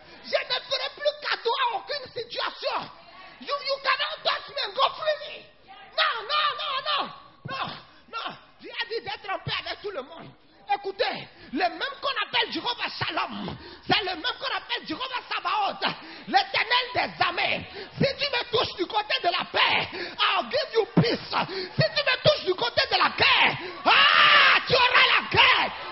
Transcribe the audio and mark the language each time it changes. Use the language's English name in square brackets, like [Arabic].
[French] Je ne ferai plus cadeau à aucune situation. [English] You cannot touch me and go free me. [French] Non, non, non, non. Non, non. Dieu a dit d'être en paix avec tout le monde. Écoutez, le même qu'on appelle Jéhovah Shalom, c'est le même qu'on appelle Jéhovah Sabaoth, l'éternel des armées. Si tu me touches du côté de la paix, [English] I'll give you peace. [French] Si tu me touches du côté de la guerre, tu auras la guerre.